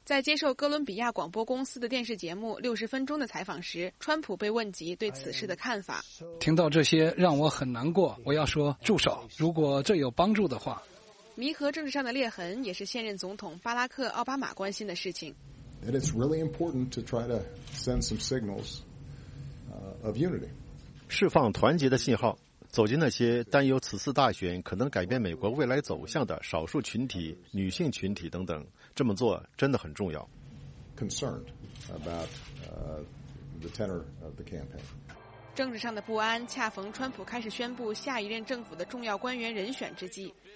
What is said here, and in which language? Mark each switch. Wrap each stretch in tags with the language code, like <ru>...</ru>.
<zh>在接受哥伦比亚广播公司的电视节目《60分钟》的采访时，川普被问及对此事的看法。听到这些让我很难过，我要说住手，如果这有帮助的话。弥合政治上的裂痕也是现任总统巴拉克·奥巴马关心的事情。</zh> <en>It's really important to try to send some signals of unity.</en> <zh>释放团结的信号，走进那些担忧此次大选可能改变美国未来走向的少数群体、女性群体等等，这么做真的很重要。</zh> <en>Concerned about the tenor of the campaign.</en> <zh>政治上的不安恰逢川普开始宣布下一任政府的重要官员人选之际。</zh>